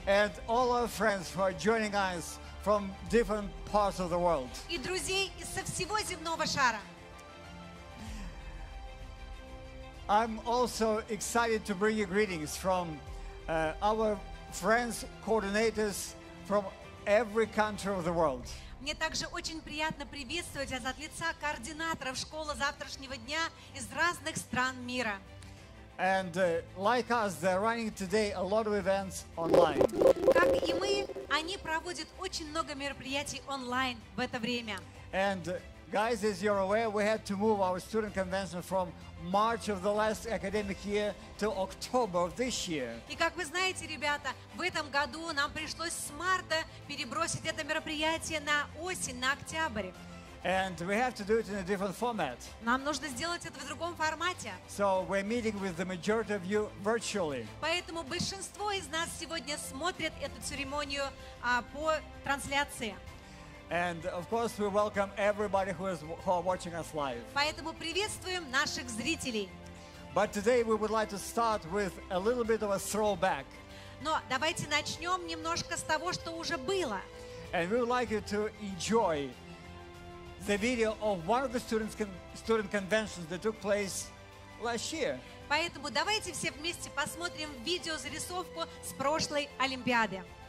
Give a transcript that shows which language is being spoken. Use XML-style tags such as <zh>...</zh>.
<en>And all our friends who are joining us from different parts of the world.</en> <ru>И друзей из со всего земного шара.</ru> <en>I'm also excited to bring you greetings from our friends, coordinators from every country of the world.</en> <ru>Мне также очень приятно приветствовать вас от лица координаторов школы завтрашнего дня из разных стран мира.</ru> <en>And like us, they're running today a lot of events online.</en> <ru>Как и мы, они проводят очень много мероприятий онлайн в это время.</ru> <en>And guys, as you're aware, we had to move our student convention from March of the last academic year to October of this year.</en> <ru>И как вы знаете, ребята, в этом году нам пришлось с марта перебросить это мероприятие на осень, на октябрь.</ru> <en>And we have to do it in a different format.</en> <ru>Нам нужно сделать это в другом формате.</ru> <en>So we're meeting with the majority of you virtually.</en> <ru>Поэтому большинство из нас сегодня смотрят эту церемонию по трансляции.</ru> <en>And of course, we welcome everybody who are watching us live.</en> <ru>Поэтому приветствуем наших зрителей.</ru> <en>But today we would like to start with a little bit of a throwback.</en> <ru>Но давайте начнем немножко с того, что уже было.</ru> <en>And we would like you to enjoy the video of one of the student conventions that took place last year.</en> <ru>Поэтому давайте все вместе посмотрим видеозарисовку с прошлой олимпиады.</ru>